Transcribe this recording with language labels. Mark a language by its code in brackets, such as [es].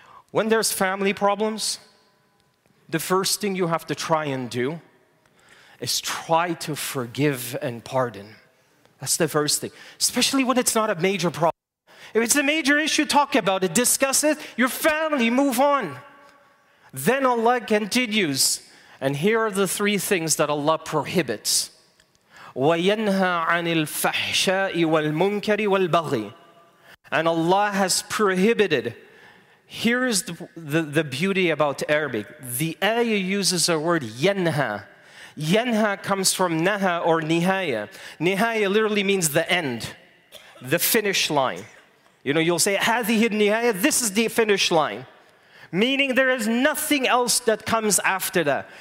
[en] When there's family problems, the first thing you have to try and do is try to forgive and pardon. That's the first thing, especially when it's not a major problem. If it's a major issue, talk about it, discuss it, your family, move on. Then Allah continues. And here are the three things that Allah prohibits. [ar] وَيَنْهَا عَنِ الْفَحْشَاءِ وَالْمُنْكَرِ وَالْبَغِي [en] And Allah has prohibited. Here is the beauty about Arabic. The ayah uses a word, yanha. Yanha comes from naha or nihaya. Nihaya literally means the end, the finish line. You know, you'll say, hadhihi nihaya, this is the finish line. Meaning there is nothing else that comes after that.